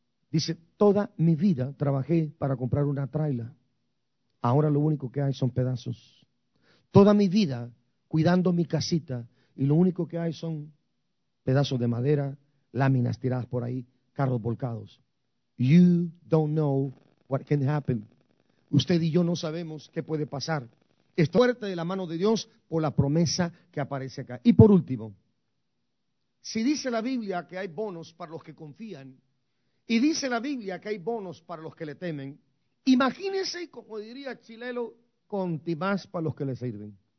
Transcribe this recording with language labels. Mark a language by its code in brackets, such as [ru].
[es] Dice, toda mi vida trabajé para comprar una traila. Ahora lo único que hay son pedazos. Toda mi vida cuidando mi casita y lo único que hay son pedazos de madera, láminas tiradas por ahí, carros volcados. [en] You don't know what can happen. [es] Usted y yo no sabemos qué puede pasar. Esta fuerte de la mano de Dios por la promesa que aparece acá. Y por último, si dice la Biblia que hay bonos para los que confían, y dice la Biblia que hay bonos para los que le temen, imagínese, como diría Chilelo, conti más para los que le sirven.